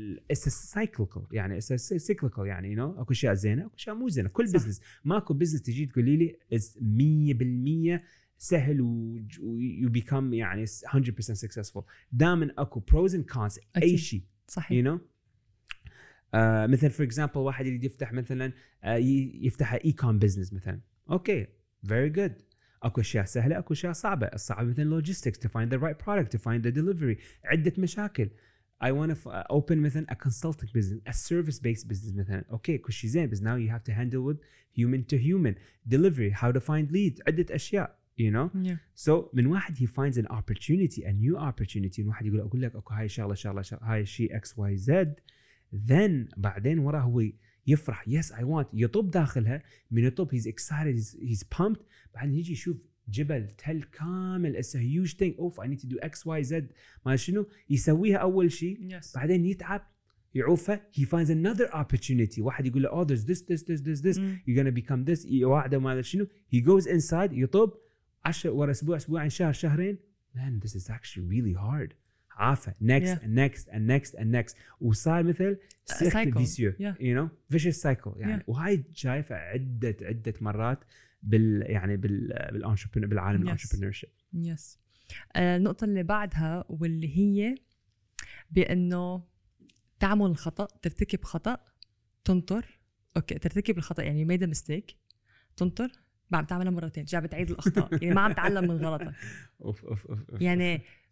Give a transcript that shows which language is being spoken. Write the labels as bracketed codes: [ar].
[ar] السيكليكال يعني you know اكو شيء زين اكو شيء مو زين كل بزنس ماكو بزنس تجي تقولي لي is 100% سهل ويو بيكم يعني 100% successful دائما اكو [en] pros and cons [ar] أكيد. اي شيء صحيح [en] you know مثلا for example واحد يريد يفتح مثلا يفتح إيكوم بيزنس مثلا اوكي very good [ar] اكو اشياء سهله اكو اشياء صعبه [en] الصعب مثلا logistics to find the right product to find the delivery عده مشاكل I want to open مثلا a consulting business a service based business مثلا okay [ar] اكو شيء زين بس [en] now you have to handle with human to human delivery how to find leads عده اشياء you know. So من واحد he finds an opportunity, a new opportunity, [ar] من واحد يقول أقول لك أكو هاي شغلة شغلة شغلة هاي شيء X Y Z, [en] then بعدين وراه هو يفرح yes I want, يطوب داخلها, من يطوب he's excited, he's pumped, بعدين يجي يشوف جبل تل كامل it's a huge thing, oof I need to do X Y Z, ما شنو يسويها أول شيء yes. [ar] بعدين يتعب يعوفه, [en] he finds another opportunity. واحد يقول له oh there's this this this this this you're gonna become this, [ar] واحدة ما أدري شنو, [en] he goes inside [ar] يطوب عشر ورا أسبوع أسبوعين شهر شهرين, [en] man this is actually really hard, عافه next yeah. and next and next and next, [ar] وصار مثل [en] cycle vicious yeah. you know vicious cycle يعني yeah. [ar] وهاي شايفة عدة مرات بال يعني بال entrepreneur بالعالم yes. [en] entrepreneurship yes. [ar] النقطة اللي بعدها واللي هي بأنه تعمل الخطأ, ترتكب خطأ, تنطر, أوكي ترتكب الخطأ يعني [en] made a mistake, [ar] تنطر بعد تعملها مرتين جاي بتعيد الأخطاء يعني ما عم تعلم من غلطك يعني.